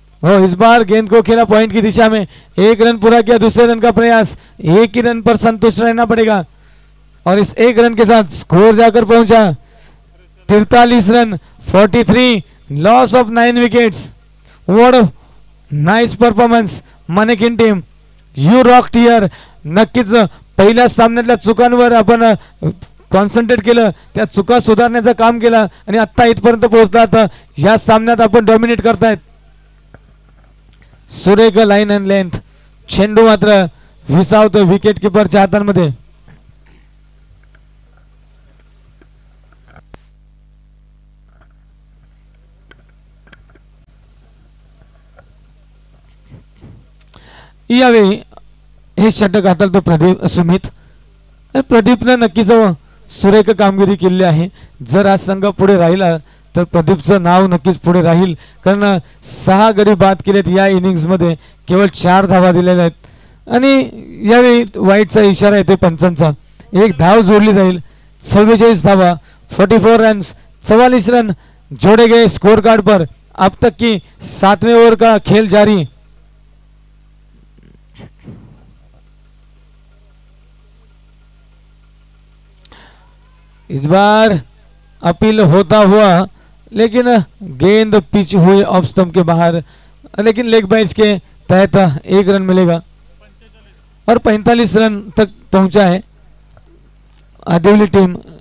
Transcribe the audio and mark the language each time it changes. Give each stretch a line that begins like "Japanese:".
Hindi: और इस बार गेंद को खेला पॉइंट की दिशा में, 1 रन पूरा किया, दूसरे रन का प्रयास, 1 ही रन पर संतुष्ट रहना पड़ेगा, और इस 1 रन के साथ स्कोर जाकर पहुंचा 43 run, 43 loss of 9 wickets.
English: What a nice performance मानेकिन team, you rock tier.
Marathi: नक्कीच पहिल्या सामन्यातल्या चुकांवर आपण कॉन्सन्ट्रेट केलं, त्या चुका सुधारण्याचं काम केलं, आणि आत्ता इथपर्यंत पोहोचतात, या सामन्यात आपण डॉमिनेट करतायत. सुरेख लाईन अँड लेंथ, चेंडू मात्र विसावतो विकेट किपरच्या हातांमध्ये. यावेळी हे षटक हातळतो प्रदीप सुमित. प्रदीपनं नक्कीच सुरेख कामगिरी केली आहे, जर आज संघ पुढे राहिला तर प्रदीपचं नाव नक्कीच पुढे राहील, कारण 6 गडी बाद केलेत या इनिंगमध्ये, केवळ 4 धावा दिलेल्या आहेत. आणि यावेळी वाईटचा इशारा येतोय पंचांचा, एक धाव जोडली जाईल, 46 धावा, 44 रन्स,
Hindi: 44 रन जोडे गए स्कोर कार्ड पर. अब तक की 7वें ओवर का खेल जारी, इस बार अपील होता हुआ, लेकिन गेंद पिच हुई ऑफ स्टंप के बाहर, लेकिन लेग बाइज के तहत 1 रन मिलेगा, और 45 रन तक पहुंचा है आदिवली टीम.